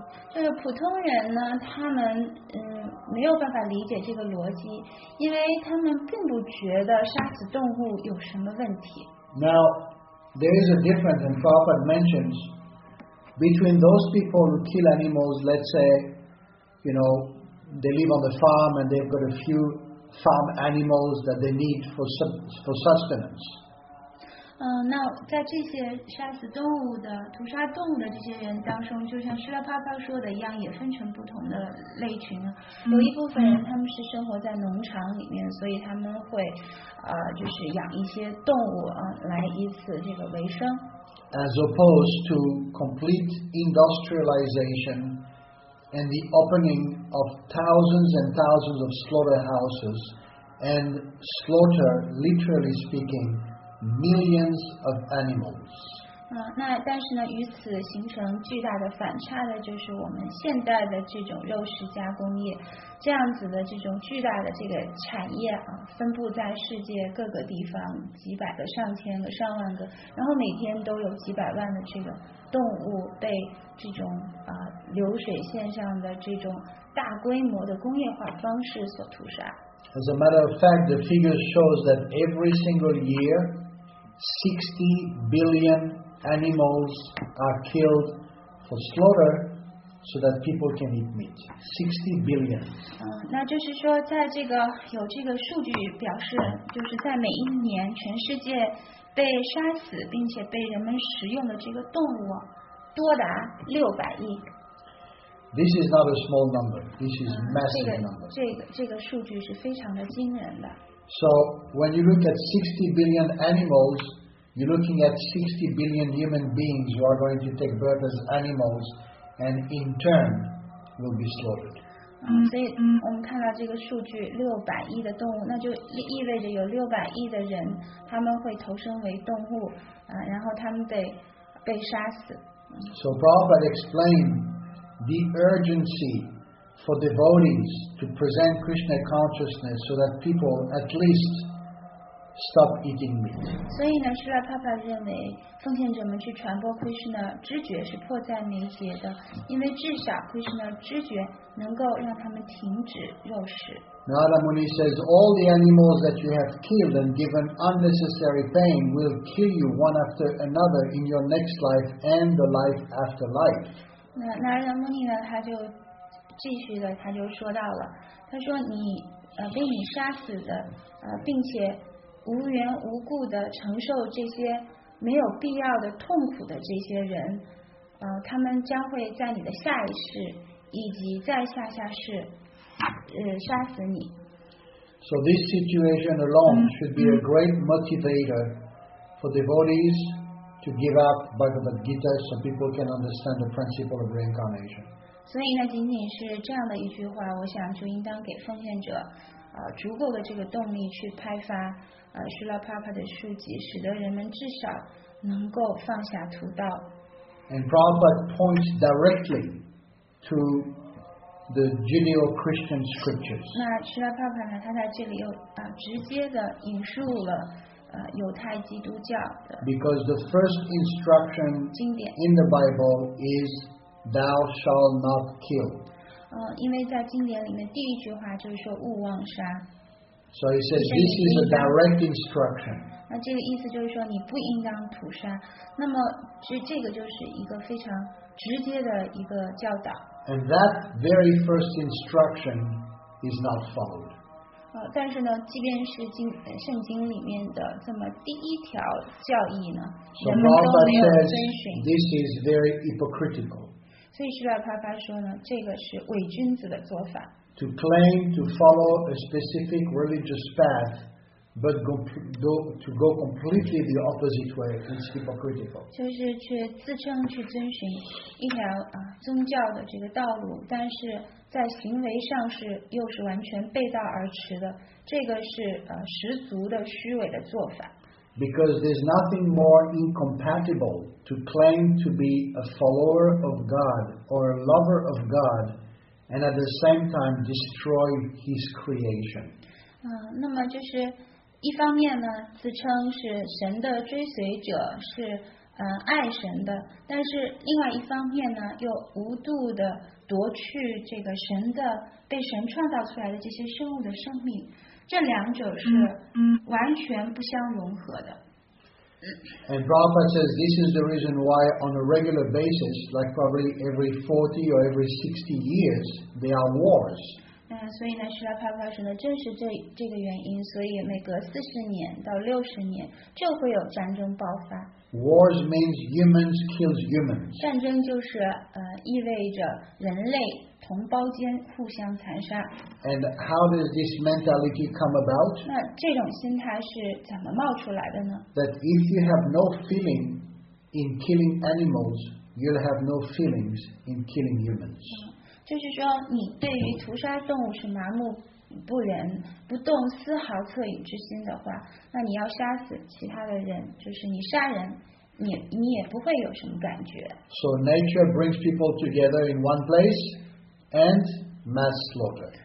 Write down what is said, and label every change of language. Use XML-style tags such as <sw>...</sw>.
<zh>就是普通人呢，他们没有办法理解这个逻辑，因为他们并不觉得杀死动物有什么问题。</zh> <en>Now, there is a difference, and Prabhupada mentions, between those people who kill animals, let's say, you know, they live on the farm and they've got a few farm animals that they need for sustenance.</en> <zh>那在这些杀死动物的、屠杀动物的这些人当中，就像Srila Prabhupada说的一样，也分成不同的类群。有一部分人他们是生活在农场里面，所以他们会就是养一些动物来以此这个为生。</zh> <en>As opposed to complete industrialization and the opening of thousands and thousands of slaughterhouses and slaughter, literally speaking, millions of animals.</en> <zh>那但是呢，与此形成巨大的反差的就是我们现代的这种肉食加工业，这样子的这种巨大的这个产业分布在世界各个地方，几百个、上千个、上万个，然后每天都有几百万的这个动物被这种流水线上的这种大规模的工业化方式所屠杀。</zh> <en>As a matter of fact, the figure shows that every single year, 60 billion animals are killed for slaughter. So that people can eat meat. 60 billion.</en> <zh>那就是说，在这个有这个数据表示，就是在每一年全世界被杀死并且被人们食用的这个动物多达600亿。</zh> <en>This is not a small number. This is massive number.</en> <zh>这个数据是非常的惊人的。</zh> <en>So when you look at 60 billion animals, you're looking at 60 billion human beings who are going to take birth as animals. And in turn, will be slaughtered.</en> <zh>所以我们看到这个数据，六百亿的动物，那就意味着有六百亿的人，他们会投身为动物，然后他们被杀死。</zh> <en>So Prabhupada explained the urgency for devotees to present Krishna consciousness so that people at least. Stop eating meat.</en> <zh>所以呢，释迦牟尼认为，奉献者们去传播 Krishna 知觉是迫在眉睫的，因为至少 Krishna 知觉能够让他们停止肉食。</zh> <en>Narada Muni says, all the animals that you have killed and given unnecessary pain will kill you one after another in your next life and the life after life.</en> <zh>那 Narada Muni 呢，他就继续的，他就说到了，他说你被你杀死的并且无缘无故的承受这些没有必要的痛苦的这些人，他们将会在你的下一世以及再下下世，杀死你。</zh> <en>So this situation alone should be a great motivator for devotees to give up Bhagavad Gita, so people can understand the principle of reincarnation.</en> <zh>所以呢，仅仅是这样的一句话，我想就应当给奉献者。足够的这个动力去拍发Srila Prabhupada的书籍，使得人们至少能够放下屠刀。</zh> <en>And Prabhupada points directly to the Judeo-Christian scriptures.</en> <zh>那 Srila Prabhupada 呢，他在这里又直接的引述了犹太基督教的。</zh> <en>Because the first instruction in the Bible is, "Thou shalt not kill."</en> <zh>因为在经典里面第一句话就是说勿妄杀。</zh> <en>So he says this is a direct instruction.</en> <zh>那这个意思就是说你不应当屠杀。那么这个就是一个非常直接的一个教导。</zh> <en>And that very first instruction is not followed.</en> <zh>但是呢，即便是圣经里面的这么第一条教义呢，人们都没有遵循。</zh> <en>This is very hypocritical.</en> <zh>所以施拉帕帕说呢，这个是伪君子的做法。</zh> <en>To claim to follow a specific religious path, but to go completely the opposite way is hypocritical.</en> <zh>就是去自称去遵循一条宗教的这个道路，但是。在行为上是又是完全背道而驰的，这个是十足的虚伪的做法。</zh> <en>Because there's nothing more incompatible to claim to be a follower of God or a lover of God, and at the same time destroy His creation.</en> <zh>那么就是一方面呢，自称是神的追随者，是爱神的，但是另外一方面呢，又无度的。夺去这个神的被神创造出来的这些生物的生命，这两者是完全不相融合的。</zh> <en>And Prabhupada says this is the reason why on a regular basis, like probably every 40 or every 60 years, there are wars.</en> <zh>所以呢，释迦牟尼佛说呢，正是这个原因，所以每隔40年到60年就会有战争爆发。</zh> <en>Wars means humans kill humans.</en> <zh>战争就是意味着人类同胞间互相残杀。</zh> <en>And how does this mentality come about?</en> <zh>那这种心态是怎么冒出来的呢？</zh> <en>That if you have no feeling in killing animals, you'll have no feelings in killing humans.</en> <zh>就是说，你对于屠杀动物是麻木。不仁不动丝毫恻隐之心的话，那你要杀死其他的人，就是你杀人，你也不会有什么感觉。</zh> <en>So nature brings people together in one place and mass slaughter.</en>